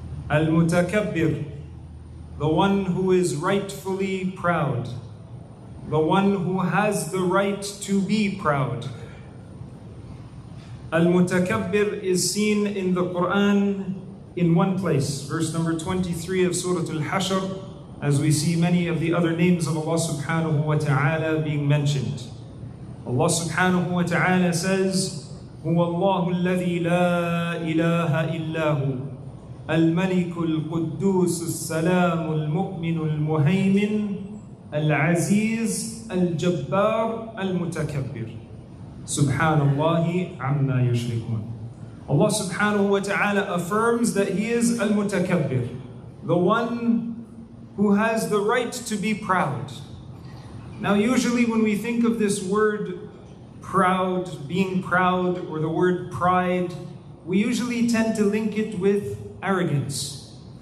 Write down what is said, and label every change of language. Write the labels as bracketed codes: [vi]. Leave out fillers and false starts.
[en] Al-Mutakabbir, the one who is rightfully proud, the one who has the right to be proud. Al-Mutakabbir is seen in the Quran in one place, verse number 23 of Surah Al-Hashr, as we see many of the other names of Allah subhanahu wa ta'ala being mentioned. Allah subhanahu wa ta'ala says, [ar] هُوَ اللَّهُ الَّذِي لَا إِلَٰهَ إِلَّا هُوَ الْمَلِكُ الْقُدُّوسُ السَّلَامُ الْمُؤْمِنُ الْمُهَيْمِنُ الْعَزِيزُ الْجَبَّارُ الْمُتَكَبِّرُ سُبْحَانَ اللَّهِ عَمَّا يُشْرِكُونَ. [en] Allah subhanahu wa ta'ala affirms that He is al-mutakabbir, the one who has the right to be proud. Now, usually when we think of this word proud, being proud, or the word pride, we usually tend to link it with arrogance.